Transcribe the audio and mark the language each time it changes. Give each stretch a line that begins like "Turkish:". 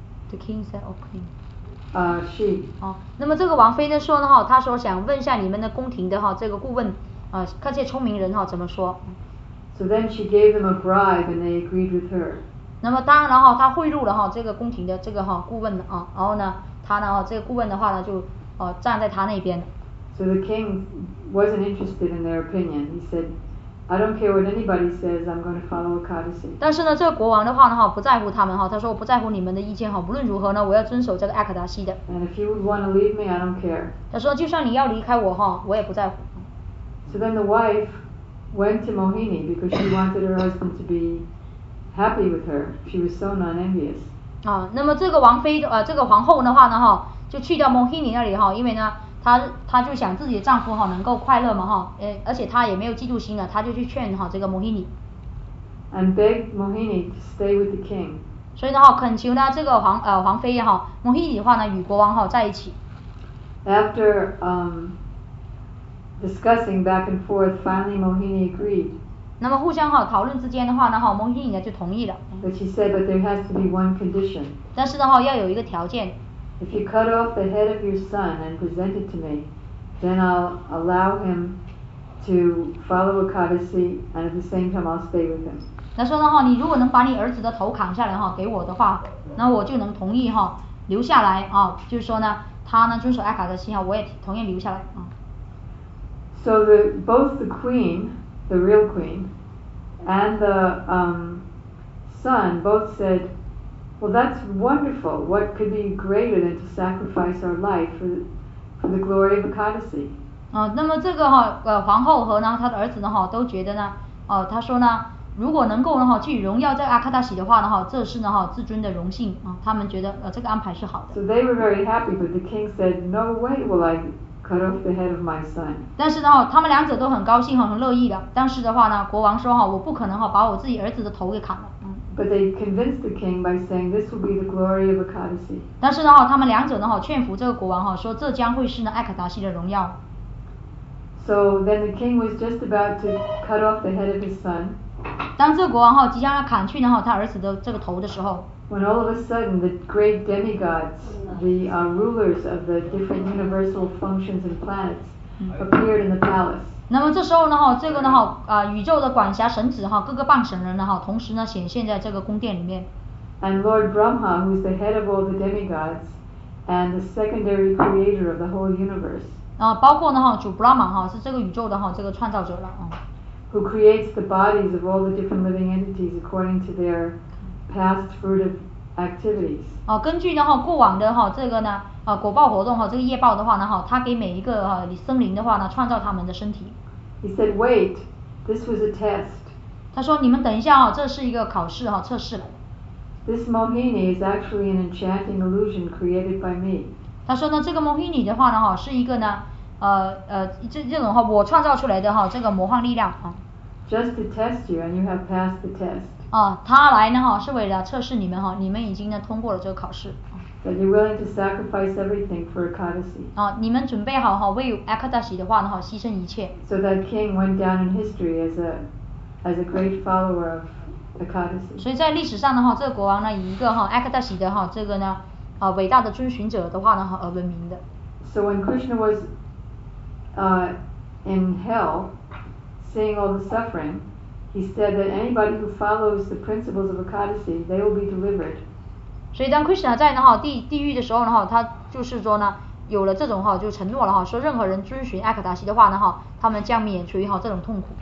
English: The king said, okay. She.
Chinese: 那么这个王妃呢, 说呢, 她说想问一下你们的宫廷的, 这个顾问, 看些聪明人, 怎么说?
English: So then she gave them a bribe and they agreed with her.
Chinese: 那么当然了, 她贿赂了, 这个宫廷的, 这个, 顾问的, 然后呢, 她呢, 这个顾问的话呢, 就, 站在她那边。
English: So the king wasn't interested in their opinion. He said, I don't care what anybody says, I'm going to follow Ekadasi.
Chinese: 但是呢, 这个国王的话呢, 不在乎他们, 他说, 我不在乎你们的意见, 无论如何呢, 我要遵守这个艾克达西的。
English: And if you would want to leave me, I don't care.
Chinese: 他说, 就算你要离开我, 我也不在乎。
English: So then the wife went to Mohini because she wanted her husband to be happy with her. She was so non-envious.
Chinese: 那么这个王妃, 这个皇后的话呢, 就去到 Mohini那里, 因为呢, 她就想自己的丈夫, 能够快乐嘛, 而且她也没有嫉妒心了, 她就去劝, 这个 Mohini.
English: And begged Mohini to stay with the king.
Chinese: 所以呢, 恳求呢, 这个皇, 皇妃, Mohini的话呢, 与国王, 在一起。
English: After, discussing back and forth, finally Mohini agreed.
Chinese: 那么互相, 讨论之间的话呢, Mohini呢, 就同意了。
English: But she said that there has to be one condition.
Chinese: 但是呢, 要有一个条件。
English: If you cut off the head of your son and present it to me, then I'll allow him to follow Ekadasi and at the same time I'll stay with him.
Chinese: 那说呢, 你如果能把你儿子的头砍下来, 给我的话, 那我就能同意, 留下来, 就是说呢, 他呢, 遵守艾卡德西, 我也同意留下来。
English: So the both the queen, the real queen, and the son both said, "Well, that's wonderful. What could be greater than to sacrifice our life for the glory of Ekadasi?"
Chinese: 那么这个皇后和呢她的儿子呢都觉得呢, 他说呢，如果能够呢去荣耀这个阿卡达西的话呢，这是呢自尊的荣幸，他们觉得这个安排是好的。
English: So they were very happy, but the king said, no way will I cut off the head of my son.
Chinese: 但是呢，他们两者都很高兴，很乐意的。但是的话呢，国王说，我不可能把我自己儿子的头给砍了。
English: But they convinced the king by saying this will be the glory of Akkadasi.
Chinese: 但是呢，他们两者呢劝服这个国王，说这将会是呢阿卡达西的荣耀。
English: So then the king was just about to cut off the head of his son.
Chinese: 当这个国王即将要砍去呢他儿子的这个头的时候，
English: when all of a sudden the great demigods, the rulers of the different universal functions and planets appeared in the palace.
Chinese: 那么这时候呢，这个呢，宇宙的管辖神子，各个半神人呢，同时呢，显现在这个宫殿里面。
English: And Lord Brahma, who is the head of all the demigods, and the secondary creator of the whole universe.
Chinese: 包括呢，主 Brahma, 是这个宇宙的，这个创造者了，
English: Who creates the bodies of all the different living entities according to their past fruitive activities.
Chinese: 根据呢，过往的，这个呢，果报活动，这个业报的话呢，他给每一个生灵的话呢，创造他们的身体。
English: He said, wait, this was a test.
Chinese: 他说，你们等一下，这是一个考试，测试。
English: This Mohini is actually an enchanting illusion created by me.
Chinese: 他说呢，这个 Mohini 的话呢，是一个呢，这种我创造出来的这个魔幻力量。
English: Just to test you, and you have passed the test.
Chinese: 他来呢，是为了测试你们，你们已经呢通过了这个考试。
English: That you're willing to sacrifice everything for Akkadasi.
Chinese: 你们准备好为 Akkadasi 的话呢，牺牲一切。
English: So that king went down in history as a great follower of Akkadasi.
Chinese: 所以在历史上的话，这个国王呢，以一个Akkadasi 的这个呢，伟大的遵循者的话呢，而闻名的。
English: So when Krishna was, in hell, seeing all the suffering, he said that anybody who follows the principles of Akkadasi, they will be delivered.
Chinese: 所以当 Krishna 在呢地狱的时候呢，他就是说呢，有了这种就承诺了，说任何人遵循 Akkadasi 的话呢，他们将免除这种痛苦。